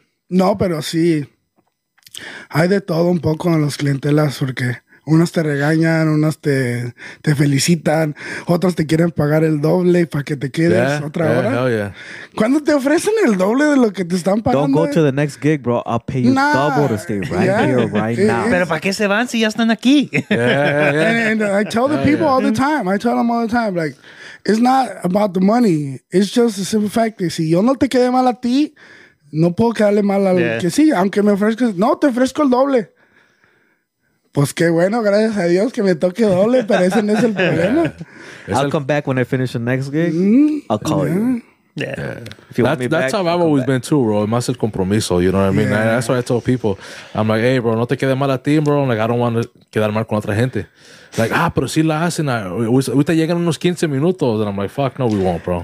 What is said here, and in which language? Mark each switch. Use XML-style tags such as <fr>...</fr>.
<es>No, pero sí hay de todo un poco en los clientelas, porque unas te regañan, unas te felicitan, otras te quieren pagar el doble para que te quedes otra hora.</es> <en>Hell yeah.</en> <es>¿Cuándo te ofrecen el doble de lo que te están pagando?</es> <en>Don't go to the next gig, bro. I'll pay you double to stay right here, right now.</en> <es>¿Pero para qué se van si ya están aquí?</es> <en>Yeah. And I tell the people all the time. I tell them all the time, like, it's not about the money. It's just the simple fact that</en> <es>si yo no te quedé mal a ti, no puedo quedarle mal al que sí, aunque me ofrezcas. No, te ofrezco el doble. Pues qué bueno, gracias a Dios que me toque doble, pero ese no es el problema.</es> <en>Yeah. I'll come back when I finish the next gig. I'll call you. Yeah. That's how I've always been too, bro.</en> <es>Más el compromiso,</es> <en>you know what I mean? Yeah. That's what I told people. I'm like, hey, bro,</en> <es>no te quedes mal a ti, bro.</es> <en>Like, I don't want to</en> <es>quedar mal con otra gente. Like, pero sí la hacen. Ahorita llegan unos 15 minutos.</es> <en>And I'm like, fuck, no, we won't, bro.</en>